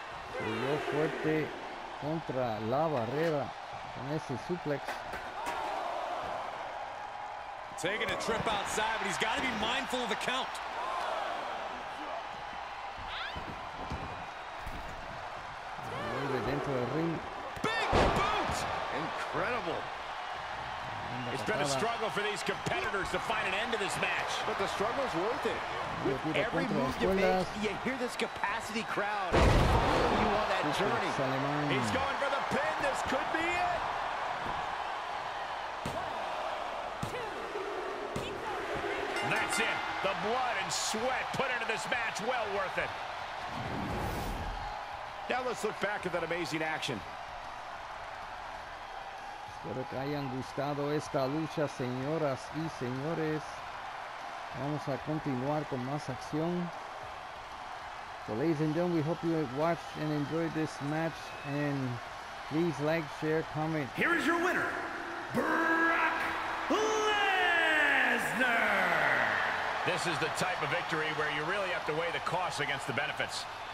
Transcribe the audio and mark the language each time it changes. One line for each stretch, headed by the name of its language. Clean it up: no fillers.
Spanish: Subió fuerte contra la barrera con ese suplex.
English: Taking a trip outside, but he's got to be mindful of the count.
Spanish: Vuelve dentro del ring.
English: Big boot! Incredible. It's been a struggle for these competitors to find an end to this match. But the struggle's worth it. With every move you make, you hear this capacity crowd following you on that journey. He's going for the pin. This could be it. That's it. The blood and sweat put into this match, well worth it. Now let's look back at that amazing action.
Spanish: Espero que hayan gustado esta lucha, señoras y señores. Vamos a continuar con más acción.
English: So, ladies and gentlemen, we hope you have watched and enjoyed this match. And please like, share, comment. Here is your winner, Brock Lesnar! This is the type of victory where you really have to weigh the costs against the benefits.